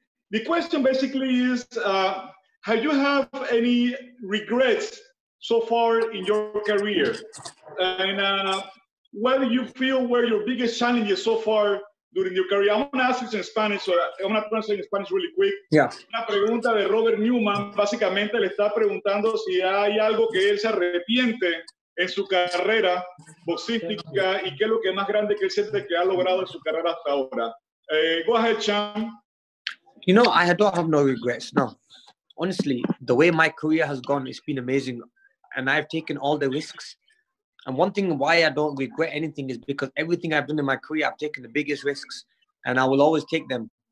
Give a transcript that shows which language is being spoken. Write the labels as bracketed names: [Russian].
[English] The question basically is, have you had any regrets so far in your career? And what do you feel were your biggest challenges so far during your career? I'm gonna ask it in Spanish, or I'm gonna translate in Spanish really quick. Yeah. [Spanish] Una pregunta de Robert Newman, básicamente le está preguntando si hay algo que él se arrepiente en su carrera boxística y qué es lo que más grande que él siente que ha logrado en su carrera hasta ahora. [English] Go ahead, champ. You know, I don't have no regrets, no. Honestly, the way my career has gone, it's been amazing. And I've taken all the risks. And one thing why I don't regret anything is because everything I've done in my career, I've taken the biggest risks and I will always take them.